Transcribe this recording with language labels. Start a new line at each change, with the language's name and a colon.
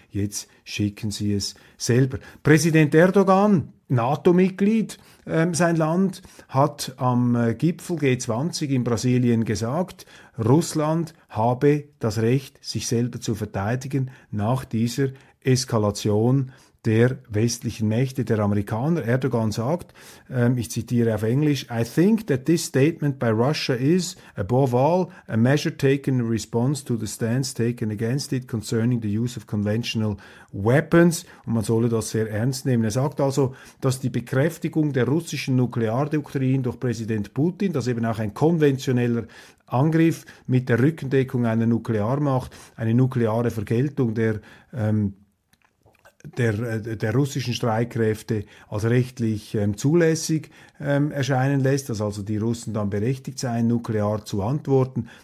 German: Jetzt schicken sie es selber. Präsident Erdogan, NATO-Mitglied, sein Land, hat am Gipfel G20 in Brasilien gesagt, Russland habe das Recht, sich selber zu verteidigen nach dieser Eskalation der westlichen Mächte, der Amerikaner. Erdogan sagt, ich zitiere auf Englisch,
English: I think that this statement by Russia is, above all, a measure taken in response to the stance taken against it concerning the use of conventional weapons.
German: Und man solle das sehr ernst nehmen. Er sagt also, dass die Bekräftigung der russischen Nukleardoktrin durch Präsident Putin, dass eben auch ein konventioneller Angriff mit der Rückendeckung einer Nuklearmacht, eine nukleare Vergeltung der russischen Streitkräfte als rechtlich zulässig erscheinen lässt, dass also die Russen dann berechtigt seien, nuklear zu antworten.